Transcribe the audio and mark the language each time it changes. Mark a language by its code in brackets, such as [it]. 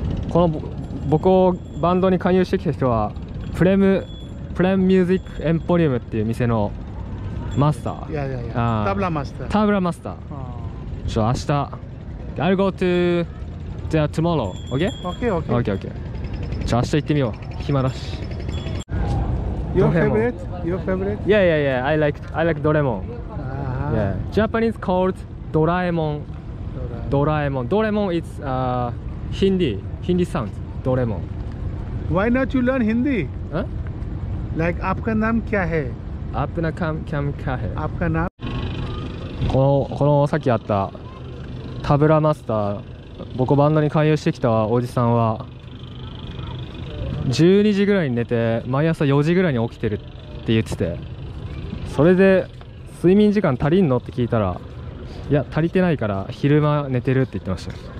[ja] この僕をバンドに加入してきた人はプレムプレムミュージックエンポリウムっていう店のマスター、タブラマスター。ちょっと明日 [en] I'll go to there tomorrow. OK. [ja] ちょっと明日行ってみよう、暇だし。 [en] Your favorite? Yeah. I like Doraemon. Japanese called Doraemon. Doraemon. Doraemon is Hindi sound. Doraemon. Why not you learn Hindi? [hi] Like, आपका नाम क्या है? आपका नाम क्या है? आपका नाम? [ja] このさっきあったタブラマスター、僕バンドに加入してきたおじさんは12時ぐらいに寝て毎朝4時ぐらいに起きてるって言ってて、それで睡眠時間足りんのって聞いたら、いや足りてないから昼間寝てるって言ってました。